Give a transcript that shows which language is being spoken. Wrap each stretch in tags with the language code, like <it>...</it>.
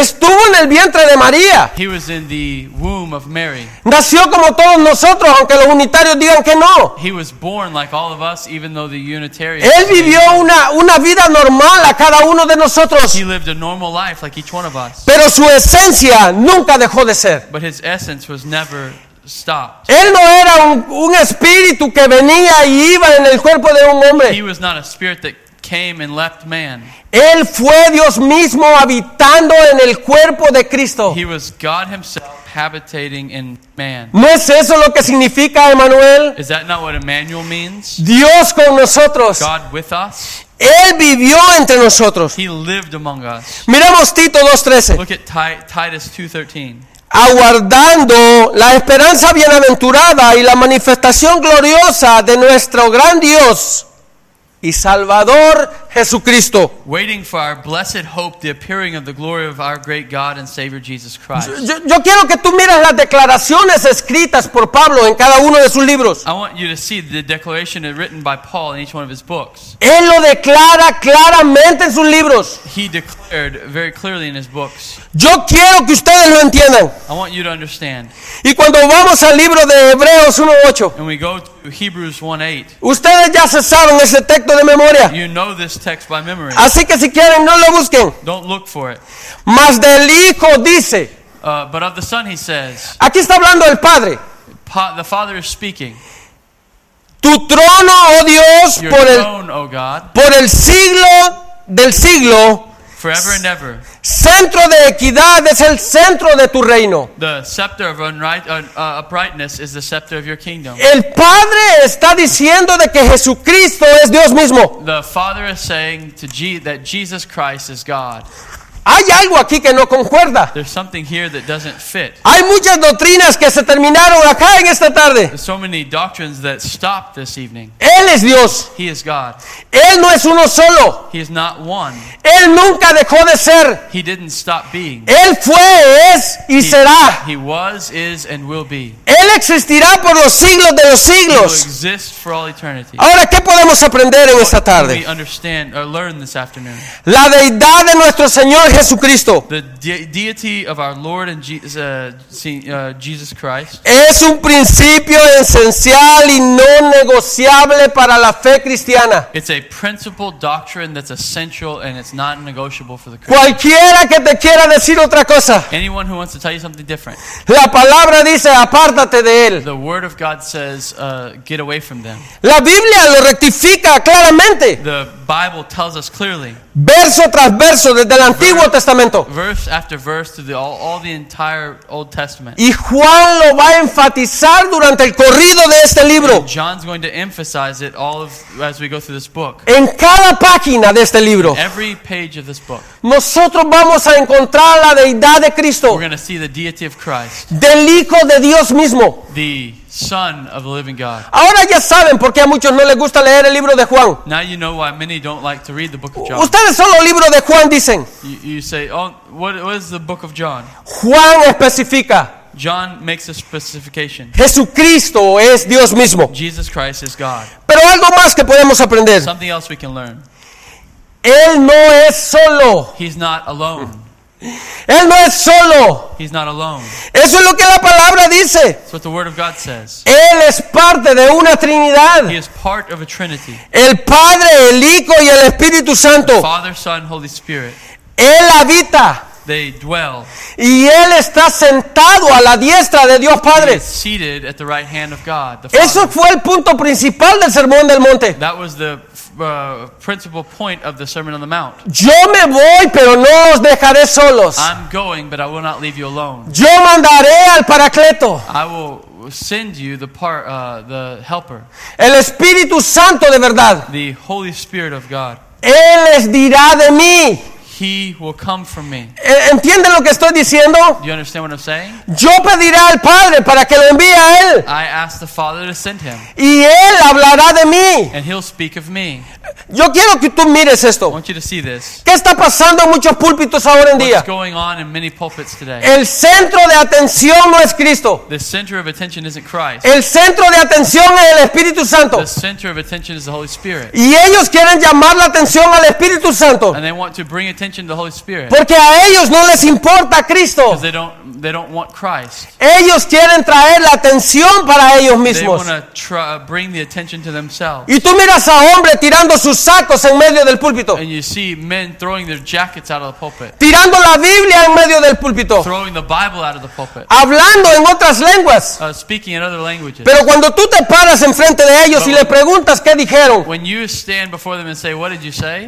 <es>Estuvo en el vientre de María.</es> <en>He was in the womb of Mary.</en> <es>Nació como todos nosotros, aunque los unitarios digan que no.</es> <en>He was born like all of us, even though the Unitarians.</en> <es>Él vivió una vida normal a cada uno de nosotros.</es> <en>He lived a normal life like each one of us.</en> <es>Pero su esencia nunca dejó de ser.</es> <en>But his essence was never stopped.</en> <es>Él no era un espíritu que venía y iba en el cuerpo de un hombre.</es> <en>He was not a spirit that came and left man.</en> <es>Él fue Dios mismo habitando en el cuerpo de Cristo.</es> <en>He was God himself habitating in man.</en> <es>¿No es eso lo que significa Emmanuel?</es> <en>Is that not what Emmanuel means?</en> <es>Dios con nosotros.</es> <en>God with us.</en> <es>Él vivió entre nosotros.</es> <en>He lived among us.</en> <es>Miremos Tito 2:13.</es> <en>Look at Titus 2:13.</en> <es>Aguardando la esperanza bienaventurada y la manifestación gloriosa de nuestro gran Dios y Salvador Jesucristo.</es> <en>Waiting for our blessed hope, the appearing of the glory of our great God and Savior Jesus Christ.</en> <es>Yo quiero que tú mires las declaraciones escritas por Pablo en cada uno de sus libros.</es> <en>I want you to see the declaration written by Paul in each one of his books.</en> <es>Él lo declara claramente en sus libros.</es> <en>He declared very clearly in his books.</en> <es>Yo quiero que ustedes lo entiendan.</es> <en>I want you to understand.</en> <es>Y cuando vamos al libro de Hebreos 1:8.</es> <en>And we go to Hebrews 1:8.</en> <es>Ustedes ya se saben ese texto de memoria.</es> <en>You know this text by memory.</en> <es>Así que si quieren, no lo busquen.</es> <en>Don't look for it.</en> <es>Mas del Hijo dice.</es> <en>But of the Son he says.</en> <es>Aquí está hablando el Padre.</es> <en>The Father is speaking.</en> <es>Tu trono, oh Dios, por el siglo del siglo.</es> <en>Forever and ever.</en> <es>Centro de equidad es el centro de tu reino.</es> <en>The scepter of uprightness is the scepter of your kingdom.</en> <es>El Padre está diciendo de que Jesucristo es Dios mismo.</es> <en>The Father is saying to that Jesus Christ is God.</en> <es>Hay algo aquí que no concuerda.</es> <en>There's something here that doesn't fit.</en> <es>Hay muchas doctrinas que se terminaron acá en esta tarde.</es> <en>There's so many doctrines that stopped this evening.</en> <es>Él es Dios.</es> <en>He is God.</en> <es>Él no es uno solo.</es> <en>He is not one.</en> <es>Él nunca dejó de ser.</es> <en>He didn't stop being.</en> <es>Él fue, es y será.</es> <en>He was, is, and will be.</en> <es>Él existirá por los siglos de los siglos.</es> <en>He will exist for all eternity.</en> <es>Ahora, ¿qué podemos aprender en esta tarde?</es> <en>What can we understand or learn this afternoon?</en> <es>La deidad de nuestro Señor Jesucristo.</es> <en>The deity of our Lord and Jesus Christ.</en> <es>Es un principio esencial y no negociable para la fe cristiana.</es> <en>It's a principle doctrine that's essential and it's not negotiable for the</en> <es>Christian. Cualquiera que te quiera decir otra cosa.</es> <en>Anyone who wants to tell you something different.</en> <es>La palabra dice, apártate de él.</es> <en>The word of God says, get away from them.</en> <es>La Biblia lo rectifica claramente.</es> <en>The Bible tells us clearly.</en> <es>Verso tras verso desde el Antiguo Testamento.</es> <en>Verse after verse through all the entire Old Testament.</en> <es>Y Juan lo va a enfatizar durante el corrido de este libro.</es> <en>And John's going to emphasize it all as we go through this book.</en> <es>En cada página de este libro.</es> <en>In every page of this book.</en> <es>Nosotros vamos a encontrar la deidad de Cristo.</es> <en>We're going to see the deity of Christ.</en> <es>Del Hijo de Dios mismo.</es> <en>The Son of the living God.</en> <es>Ahora ya saben por qué a muchos no les gusta leer el libro de Juan.</es> <en>Now you know why many don't like to read the book of John.</en> <es>Ustedes solo el libro de Juan dicen.</es> <en>You say, oh, what is the book of John?</en> <es>Juan especifica.</es> <en>John makes a specification.</en> <es>Jesucristo es Dios mismo.</es> <en>Jesus Christ is God.</en> <es>Pero algo más que podemos aprender.</es> <en>Something else we can learn.</en> <es>Él no es solo.</es> <en>He's not alone.</en> <es>Él no es solo.</es> <en>He's not alone.</en> <es>Eso es lo que la palabra dice.</es> <en>That's what the word of God says.</en> <es>Él es parte de una Trinidad.</es> <en>He is part of a Trinity.</en> <es>El Padre, el Hijo y el Espíritu Santo.</es> <en>The Father, Son, Holy Spirit.</en> <es>Él habita.</es> <en>They dwell.</en> <es>Y Él está sentado a la diestra de Dios Padre.</es> <en>He is seated at the right hand of God, the Father.</en> <es>Eso fue el punto principal del Sermón del Monte.</es> <en>That was the principal point of the Sermon on the Mount.</en> <es>Yo me voy, pero no los dejaré solos.</es> <en>I'm going, but I will not leave you alone.</en> <es>Yo mandaré al Paracleto.</es> <en>I will send you the helper.</en> <es>El Espíritu Santo de verdad.</es> <en>The Holy Spirit of God.</en> <es>Él les dirá de mí.</es> <en>He will come for me.</en> <es>¿Entienden lo que estoy diciendo?</es> <en>Do you understand what I'm saying?</en> <es>Yo pediré al Padre para que lo envíe a Él.</es> <en>I ask the Father to send Him.</en> <es>Y Él hablará de mí.</es> <en>And He'll speak of me.</en> <es>Yo quiero que tú mires esto.</es> <en>I want you to see this.</en> <es>¿Qué está pasando en muchos púlpitos ahora en día?</es> <en>What's going on in many pulpits today?</en> <es>El centro de atención no es Cristo.</es> <en>The center of attention isn't Christ.</en> <es>El centro de atención es el Espíritu Santo.</es> <en>The center of attention is the Holy Spirit.</en> <es>Y ellos quieren llamar la atención al Espíritu Santo.</es> <en>And they want to bring attention to the Holy Spirit.</en> <es>Porque a ellos no les importa Cristo.</es> <en>Because they don't want Christ.</en> <es>Ellos quieren traer la atención para ellos mismos.</es> <en>They want to bring the attention to themselves.</en> <es>Y tú miras a hombres tirando sus sacos en medio del púlpito.</es> <en>And you see men throwing their jackets out of the pulpit.</en> <es>Tirando la Biblia en medio del púlpito.</es> <en>Throwing the Bible out of the pulpit.</en> <es>Hablando en otras lenguas.</es> <en>Speaking in other languages.</en> <es>Pero cuando tú te paras enfrente de ellos y le preguntas qué dijeron.</es> <en>When you stand before them and say, what did you say?</en>